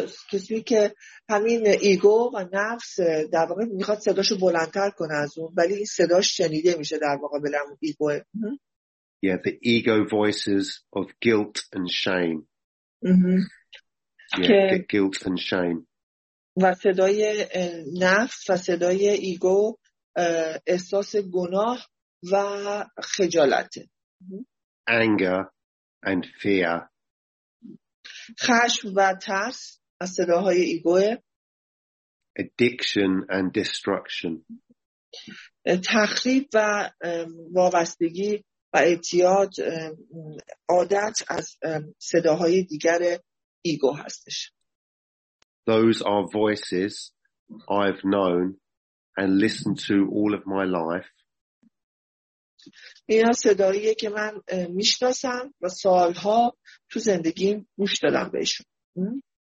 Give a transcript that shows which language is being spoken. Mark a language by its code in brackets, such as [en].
[fa] کسی که همین ایگو و نفس در واقع میخواد صداشو بلندتر کنه از اون، ولی این صداش شنیده میشه در مقابل همون ایگو. [en] Yeah, the ego voices of guilt and shame. Yeah, guilt and shame. [fa] و صدای نفس و صدای ایگو احساس گناه و خجالت. [en] Anger and fear. [fa] خشم و ترس از صداهای ایگو. [en] Addiction and destruction. [fa] تخریب و وابستگی و اعتیاد عادت از صداهای دیگر ایگو هستش. [en] Those are voices I've known and listened to all of my life. [fa] اینا صداییه که من میشناسم و سالها تو زندگیم گوش دادم بهشون.